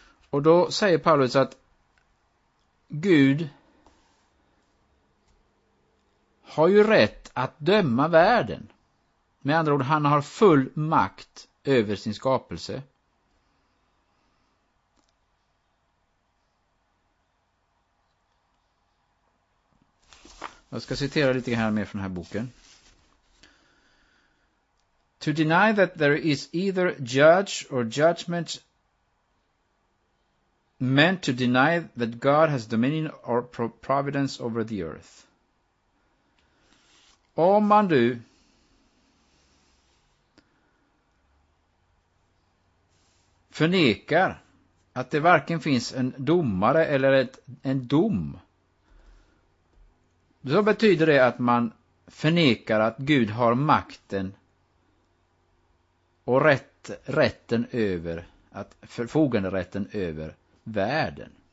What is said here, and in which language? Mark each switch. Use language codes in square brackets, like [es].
[sv] Och då säger Paulus att Gud har ju rätt att döma världen. Med andra ord, han har full makt över sin skapelse. Jag ska citera lite här mer från den här boken. [en] To deny that there is either judge or judgment meant to deny that God has dominion or providence over the earth. [sv] Om man nu förnekar att det varken finns en domare eller en dom, så betyder det att man förnekar att Gud har makten och rätten över, att förfogande rätten över världen.